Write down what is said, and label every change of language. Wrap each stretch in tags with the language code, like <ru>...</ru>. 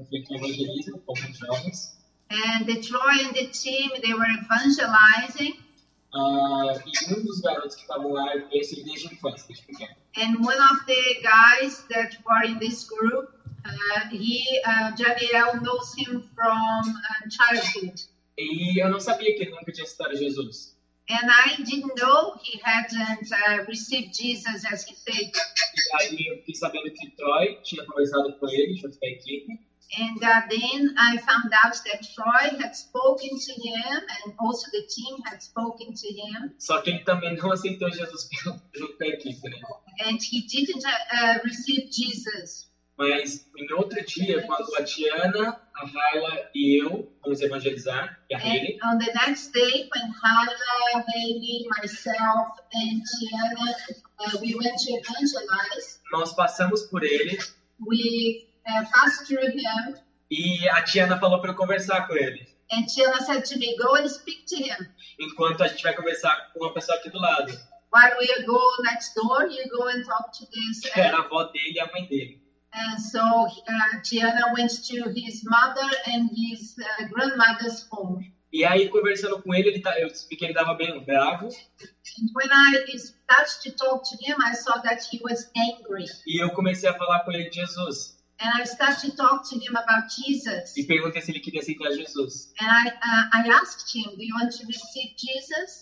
<en>And the Troy and the team, they were evangelizing. And one of the guys that were in this group, Janiel knows him from childhood.</en> <pt>E eu não sabia que ele nunca tinha aceitado Jesus.</pt> <en>And I didn't know he hadn't received Jesus as his savior.</en> <pt>E aí eu fiquei sabendo que Troy tinha conversado com ele, junto com a equipe.</pt> <en>And then I found out that Troy had spoken to him, and also the team had spoken to him.</en> <pt>Só que ele também não aceitou Jesus pelo pé aqui, né?</pt> <en>And he didn't receive Jesus.</en> <pt>Mas em outro dia, quando a Tiana, a Hayla e eu vamos evangelizar, e a Hayley.</pt> <en>On the next day, when Hayla, Hayley, myself and Tiana, we went to evangelize.</en> <pt>Nós passamos por ele.</pt> <en>We passed through him.</en> <pt>E a Tiana falou para eu conversar com ele.</pt> <en>And Tiana said to me, go and speak to him.</en> <pt>Enquanto a gente vai conversar com uma pessoa aqui do lado.</pt> <en>While we go next door, you go and talk to this.</en> <pt>Que era a avó dele e a mãe dele.</pt> <en>And so Tiana went to his mother and his grandmother's home.</en> <pt>E aí, conversando com ele, eu vi que ele estava bem bravo.</pt> <en>And when I started to talk to him, I saw that he was angry.</en> <pt>E eu comecei a falar com ele de Jesus.</pt> <en>And I started to talk to him about Jesus.</en> <pt>E perguntei se ele queria aceitar Jesus.</pt> <en>And I asked him, do you want to receive Jesus?</en>